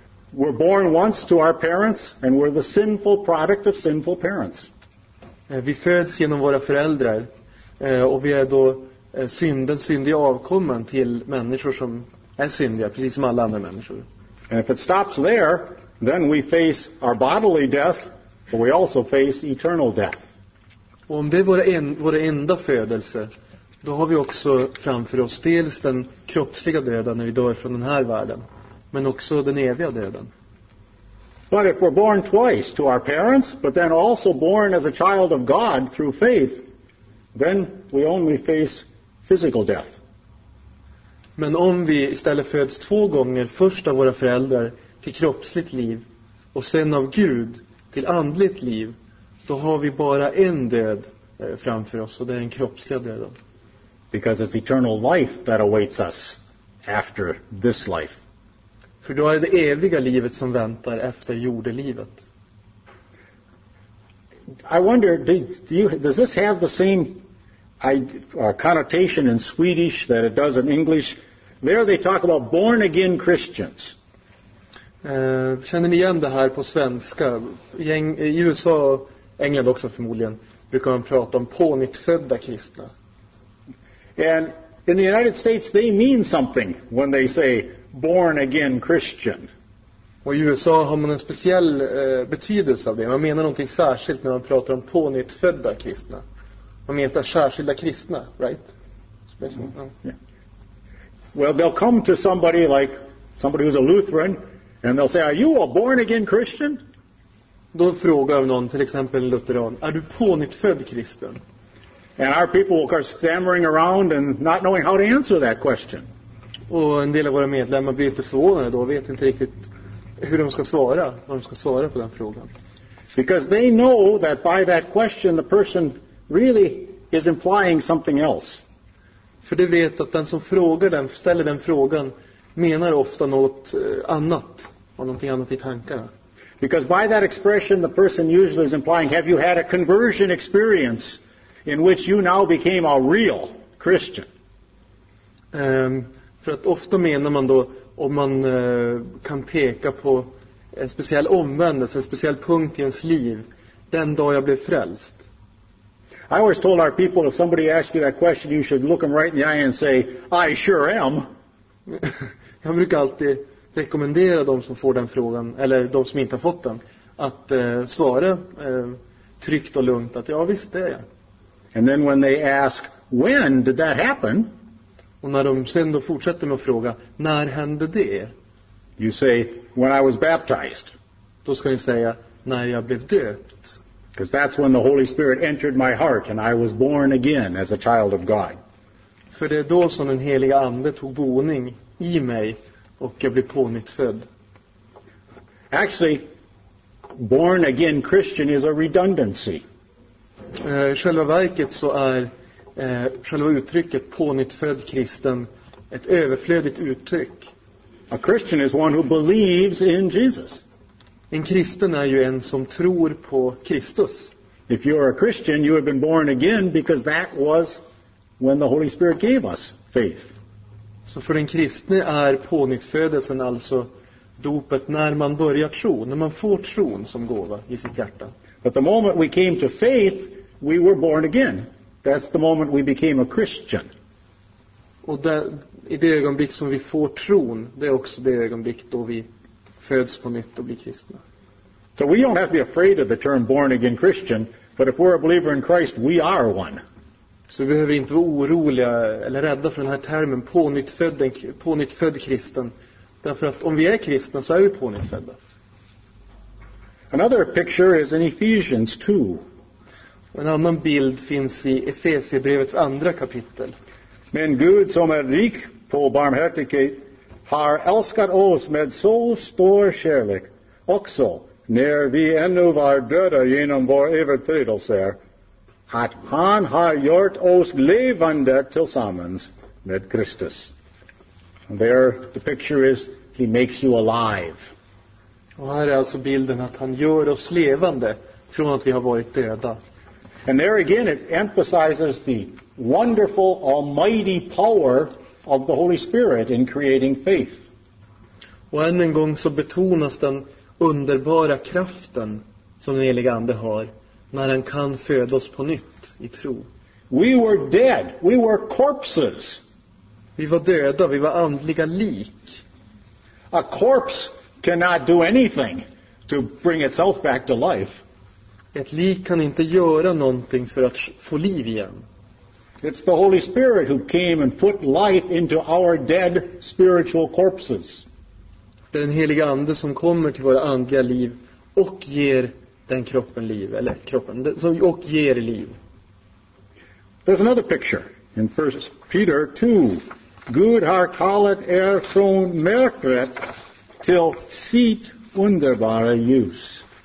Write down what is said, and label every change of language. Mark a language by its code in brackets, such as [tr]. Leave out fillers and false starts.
[en] We're born once to our parents, and we're the sinful product of sinful parents. [sv] Vi föds genom våra föräldrar, och vi är då den syndiga avkomman till människor som är syndiga, precis som alla andra människor. [en] And if it stops there, then we face our bodily death, but we also face eternal death. [sv] Och om det är våra enda födelse, då har vi också framför oss dels den kroppsliga döden när vi dör från den här världen, men också den eviga döden. [en] But if we're born twice to our parents, but then also born as a child of God through faith, then we only face physical death. [sv] Men om vi istället föds två gånger, först av våra föräldrar till kroppsligt liv och sen av Gud till andligt liv, då har vi bara en död framför oss, och det är den kroppsliga döden. [en] Because it's eternal life that awaits us after this life. [sv] För då är det eviga livet som väntar efter jordelivet. [en] I wonder, does this have the same connotation in Swedish that it does in English? There they talk about born again Christians. [sv] Känner ni igen det här på svenska? I USA och England också förmodligen brukar man prata om pånyttfödda kristna. [en] And in the United States they mean something when they say born again Christian. [sv] Och i USA har man en speciell betydelse av det. Man menar någonting särskilt när man pratar om pånyttfödda kristna. Man menar särskilda kristna, [en] right? Well, they'll come to somebody like somebody who's a Lutheran and they'll say, are you a born again Christian? [sv] Då frågar någon, till exempel en lutheran, är du pånyttfödd kristen? [en] And our people will start stammering around and not knowing how to answer that question. [sv] Och en del av våra medlemmar blir lite förvånade då, vet inte riktigt hur de ska svara, vad de ska svara på den frågan. [en] Because they know that by that question the person really is implying something else. [sv] För det vet att den som frågar den, ställer den frågan, menar ofta något annat, har någonting annat i tankarna. [en] Because by that expression the person usually is implying, have you had a conversion experience in which you now became a real Christian? [sv] För att ofta menar man då, om man kan peka på en speciell omvändelse, en speciell punkt i ens liv, den dag jag blev frälst. [en] I always told our people if somebody asks you that question you should look them right in the eye and say I sure am. [sv] Jag brukar alltid rekommendera de som får den frågan eller de som inte har fått den att svara tryggt och lugnt att ja visst det är jag. [en] And then when they ask when did that happen? [sv] Och när de sen då fortsätter med att fråga när hände det? [en] You say when I was baptized. [sv] Då ska ni säga när jag blev döpt. [en] Because that's when the Holy Spirit entered my heart and I was born again as a child of God. [sv] För det är då som den heliga ande tog boning i mig och jag blev pånyttfödd. [en] Actually, born again Christian is a redundancy. [sv] Själva verket så är själva uttrycket pånyttfödd kristen ett överflödigt uttryck. [en] A Christian is one who believes in Jesus. [sv] En kristen är ju en som tror på Kristus. [en] If you are a Christian, you have been born again because that was when the Holy Spirit gave us faith. [sv] Så för en kristne är pånyttfödelsen alltså dopet när man börjar tro, när man får tron som gåva i sitt hjärta. [en] But the moment we came to faith, we were born again. That's the moment we became a Christian. [sv] Och där, i det ögonblick som vi får tron, det är också det ögonblick då vi föds på nytt och blir kristna. [en] So we don't have to be afraid of the term born again Christian, But if we're a believer in Christ, we are one. [sv] Så vi behöver inte vara oroliga eller rädda för den här termen pånyttfödd kristen. Därför att om vi är kristna så är vi pånyttfödda. [en] Another picture is in Ephesians 2. [sv] Och en annan bild finns i Efesierbrevets andra kapitel. Men Gud som är rik på barmhärtighet har älskat oss med så stor kärlek också när vi ännu var döda genom vår överträdelser. Att han har gjort oss levande tillsammans med Kristus. [en] There the picture is, he makes you alive. [sv] Och här är alltså bilden att han gör oss levande från att vi har varit döda. [en] And there again it emphasizes the wonderful almighty power of the Holy Spirit in creating faith. [sv] Och än en gång så betonas den underbara kraften som den helige ande har. När han kan föda oss på nytt i tro. [en] We were dead. We were corpses. [sv] Vi var döda. Vi var andliga lik. [en] A corpse cannot do anything to bring itself back to life. [sv] Ett lik kan inte göra någonting för att få liv igen. [en] It's the Holy Spirit who came and put life into our dead spiritual corpses. [sv] Det är den helige ande som kommer till våra andliga liv och ger den kroppen liv, eller kroppen som och ger liv. [en] There's another picture in 1 Peter 2. [sv] Gud har kallat er från mörkret till sitt underbara ljus.